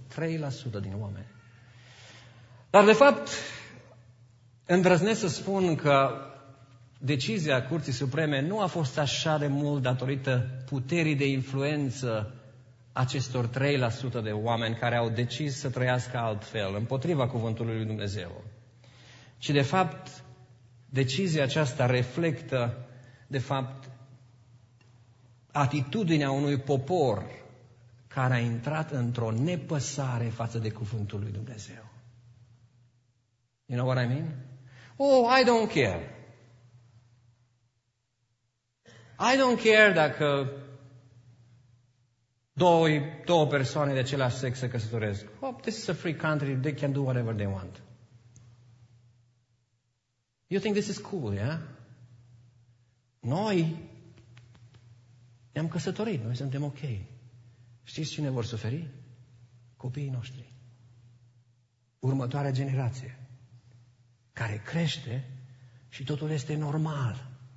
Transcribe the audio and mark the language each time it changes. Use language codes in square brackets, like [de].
[ro] 3% din oameni. Dar, de fapt, îndrăznesc să spun că decizia Curții Supreme nu a fost așa de mult datorită puterii de influență acestor 3% de oameni care au decis să trăiască altfel, împotriva cuvântului lui Dumnezeu. Și de fapt, decizia aceasta reflectă, de fapt, atitudinea unui popor care a intrat într-o nepăsare față de cuvântul lui Dumnezeu. [en] You know what I mean? Oh, I don't care. I don't care [ro] dacă două persoane de același sex se căsătoresc. [en] Oh, this is a free country, they can do whatever they want. You think this is cool, yeah? [ro] Noi ne-am căsătorit, noi suntem ok. Știți cine vor suferi? Copiii noștri. Următoarea generație care crește și totul este normal.